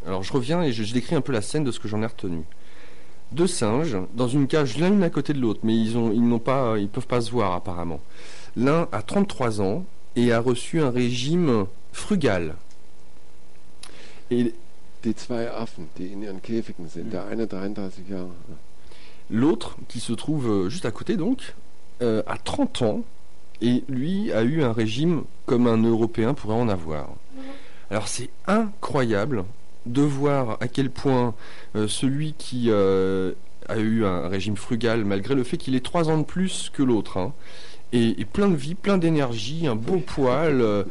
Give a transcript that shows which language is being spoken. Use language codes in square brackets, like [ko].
[fr] Alors je reviens et je décris un peu la scène de ce que j'en ai retenu. Deux singes dans une cage l'un à côté de l'autre, mais ils peuvent pas se voir apparemment. L'un a 33 ans et a reçu un régime frugal. Et... [de] Die zwei Affen, die in ihren Käfigen sind, der eine 33 Jahre. [fr] L'autre, qui se trouve juste à côté donc, a 30 ans, et lui a eu un régime comme un Européen pourrait en avoir. Alors c'est incroyable de voir à quel point celui qui a eu un régime frugal, malgré le fait qu'il ait 3 ans de plus que l'autre, hein, et plein de vie, plein d'énergie, un beau poil.